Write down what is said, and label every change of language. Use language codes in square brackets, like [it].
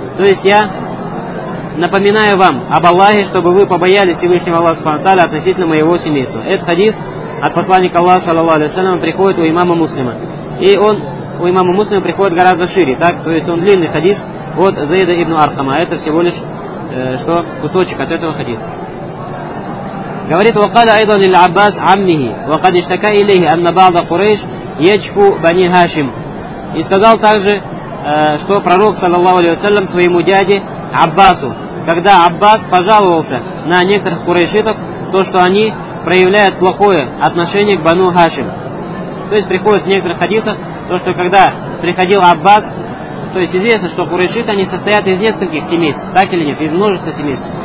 [ru] То есть я напоминаю вам об Аллахе, чтобы вы побоялись Всевышнего Аллаха субхана ва тааля относительно моего семейства. Этот хадис от посланника Аллаха, саллаллаху алейхи ва саллям, приходит у имама Муслима. И он у имама Муслима приходит гораздо шире, так? То есть он длинный хадис от Зайда ибн Аркама. Это всего лишь что кусочек от этого хадиса. Говорит, [ar] وقال أيضا للعباس عمه وقد اشتكى إليه أن بعض قريش يجفو بني هاشم. [ru] И сказал также, что пророк, саллаллаху алейхи ва саллям, своему дяде Аббасу, когда Аббас пожаловался на некоторых курайшитов, то, что они проявляют плохое отношение к бану Хашим. То есть приходит в некоторых хадисах, то, что когда приходил Аббас, то есть известно, что курайшиты, они состоят из нескольких семейств, так или нет, из множества семейств.